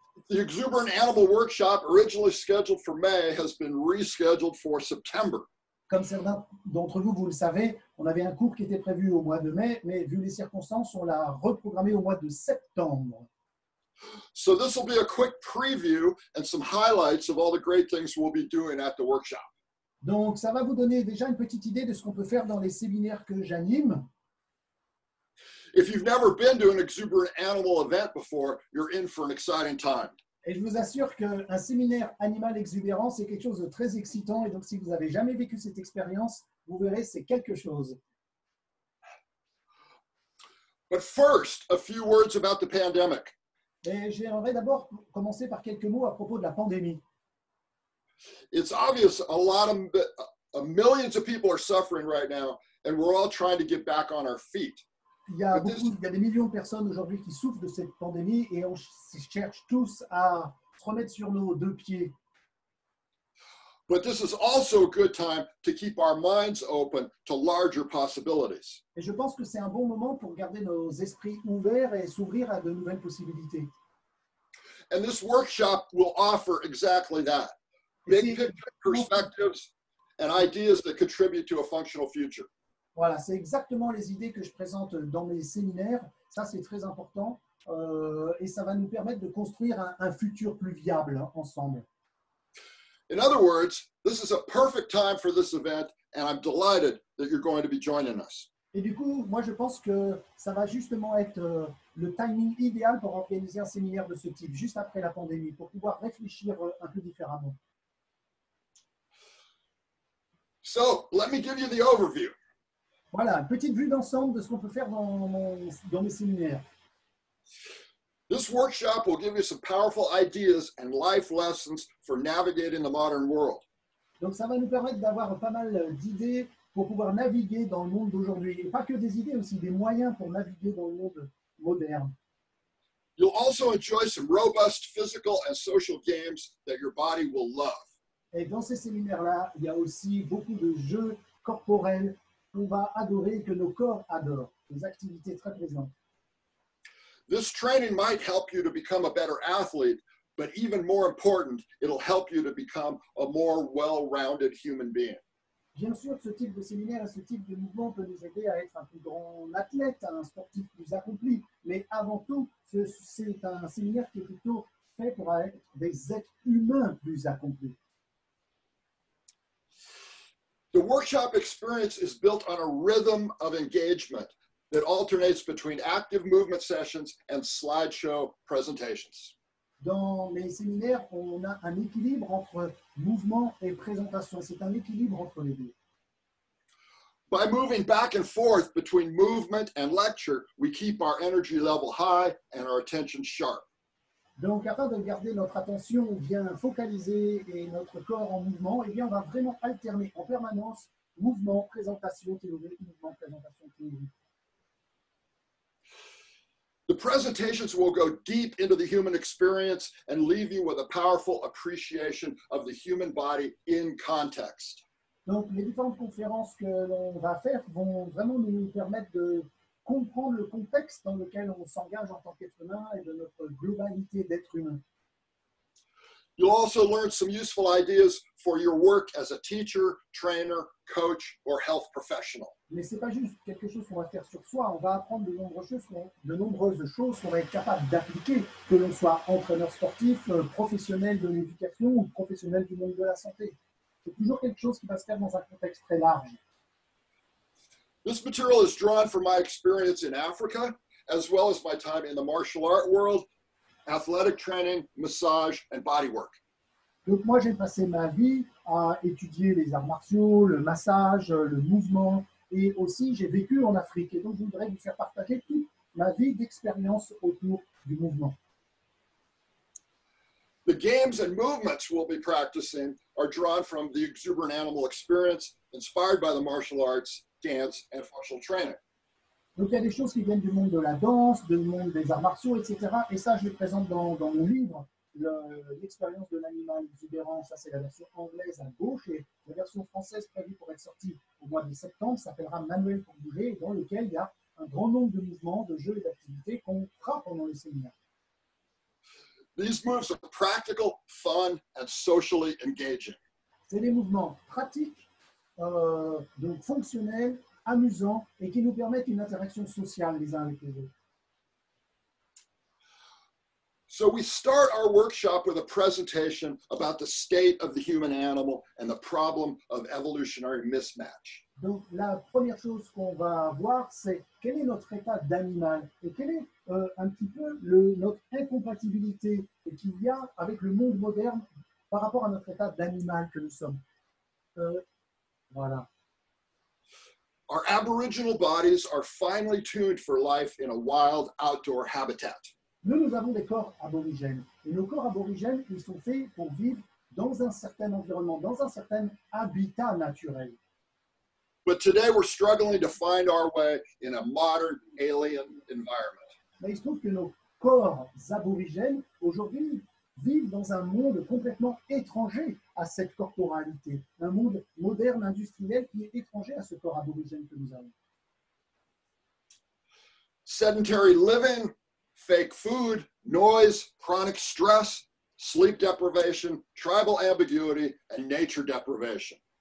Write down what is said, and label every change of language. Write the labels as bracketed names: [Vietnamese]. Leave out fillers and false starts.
[English] The Exuberant Animal Workshop, originally scheduled for May, has been rescheduled for September. [French] Comme certains d'entre vous, vous le savez, on avait un cours qui était prévu au mois de mai, mais vu les circonstances, on l'a reprogrammé au mois de septembre. [English] So this will be a quick preview and some highlights of all the great things we'll be doing at the workshop. [French] Donc, ça va vous donner déjà une petite idée de ce qu'on peut faire dans les séminaires que j'anime. [English] If you've never been to an exuberant animal event before, you're in for an exciting time. [French] Et je vous assure qu'un séminaire animal exubérant, c'est quelque chose de très excitant. Et donc, si vous n'avez jamais vécu cette expérience, vous verrez, c'est quelque chose. [English] But first, a few words about the pandemic. [French] Et j'aimerais d'abord commencer par quelques mots à propos de la pandémie. [English] It's obvious a lot of millions of people are suffering right now, and we're all trying to get back on our feet. [French] Il y a des millions de personnes aujourd'hui qui souffrent de cette pandémie et on cherche tous à se remettre sur nos deux pieds. [English] But this is also a good time to keep our minds open to larger possibilities. [French] Et je pense que c'est un bon moment pour garder nos esprits ouverts et s'ouvrir à de nouvelles possibilités. [English] And this workshop will offer exactly that. Big picture perspectives and ideas that contribute to a functional future. [French] Voilà, c'est exactement les idées que je présente dans mes séminaires. Ça, c'est très important. Et ça va nous permettre de construire un futur plus viable ensemble. [English] In other words, this is a perfect time for this event, and I'm delighted that you're going to be joining us. [French] Et du coup, moi, je pense que ça va justement être le timing idéal pour organiser un séminaire de ce type, juste après la pandémie, pour pouvoir réfléchir un peu différemment. [English] So, let me give you the overview. [French] Voilà, une petite vue d'ensemble de ce qu'on peut faire dans mes séminaires. [English] This workshop will give you some powerful ideas and life lessons for navigating the modern world. [French] Donc ça va nous permettre d'avoir pas mal d'idées pour pouvoir naviguer dans le monde d'aujourd'hui. Et pas que des idées, aussi des moyens pour naviguer dans le monde moderne. [English] You'll also enjoy some robust physical and social games that your body will love. [French] Et dans ces séminaires-là, il y a aussi beaucoup de jeux corporels qu'on va adorer, que nos corps adorent, des activités très plaisantes. [English] This training might help you to become a better athlete, but even more important, it'll help you to become a more well-rounded human being. [French] Bien sûr, ce type de séminaire et ce type de mouvement peut nous aider à être un plus grand athlète, un sportif plus accompli. Mais avant tout, c'est un séminaire qui est plutôt fait pour être des êtres humains plus accomplis. [English] The workshop experience is built on a rhythm of engagement that alternates between active movement sessions and slideshow presentations. [French] Dans les séminaires, on a un équilibre entre mouvement et présentation. C'est un équilibre entre les deux. [English] By moving back and forth between movement and lecture, we keep our energy level high and our attention sharp. [French] Donc, afin de garder notre attention bien focalisée et notre corps en mouvement, eh bien, on va vraiment alterner en permanence mouvement, présentation, théorie, mouvement, présentation, théorie. [English] The presentations will go deep into the human experience and leave you with a powerful appreciation of the human body in context. [French] Donc, les différentes conférences que l'on va faire vont vraiment nous permettre de comprendre le contexte dans lequel on s'engage en tant qu'être humain et de notre globalité d'être humain. [English] You'll also learn some useful ideas for your work as a teacher, trainer, coach, or health professional. [French] Mais c'est pas juste quelque chose qu'on va faire sur soi. On va apprendre de nombreuses choses qu'on va être capable d'appliquer, que l'on soit entraîneur sportif, professionnel de l'éducation ou professionnel du monde de la santé. C'est toujours quelque chose qui va se faire dans un contexte très large. [English] This material is drawn from my experience in Africa, as well as my time in the martial art world, athletic training, massage, and bodywork. [French] Donc moi, j'ai passé ma vie à étudier les arts martiaux, le massage, le mouvement, et aussi j'ai vécu en Afrique. Et donc, je voudrais vous faire partager toute ma vie d'expérience autour du mouvement. [English] The games and movements we'll be practicing are drawn from the exuberant animal experience, inspired by the martial arts, dance, and functional training. [French] Donc, il y a des choses qui viennent du monde de la danse, du monde des arts martiaux, etc. Et ça, je le présente dans mon livre, l'expérience de l'animal exubérant. Ça, c'est la version anglaise à gauche. Et la version française prévue pour être sortie au mois de septembre s'appellera Manuel pour bouger, dans lequel il y a un grand nombre de mouvements, de jeux et d'activités qu'on fera pendant le séminaire. [English] These moves are practical, fun, and socially engaging. [French] C'est des mouvements pratiques, donc fonctionnels, amusants, et qui nous permettent une interaction sociale les uns avec les autres. [English] So we start our workshop with a presentation about the state of the human animal and the problem of evolutionary mismatch. [French] Donc la première chose qu'on va voir, c'est quel est notre état d'animal et quel est un petit peu notre incompatibilité qu'il y a avec le monde moderne par rapport à notre état d'animal que nous sommes. Voilà. [English] Our aboriginal bodies are finely tuned for life in a wild outdoor habitat. [French] Nous avons des corps aborigènes. Et nos corps aborigènes, ils sont faits pour vivre dans un certain environnement, dans un certain habitat naturel. [English] But today we're struggling to find our way in a modern alien environment. [French] Mais il se trouve que nos corps aborigènes, aujourd'hui, vivent dans un monde complètement étranger à cette corporalité. Un monde moderne, industriel, qui est étranger à ce corps aborigène que nous avons. [English] Sedentary living, fake food, noise, chronic stress, sleep deprivation, tribal ambiguity, and nature deprivation.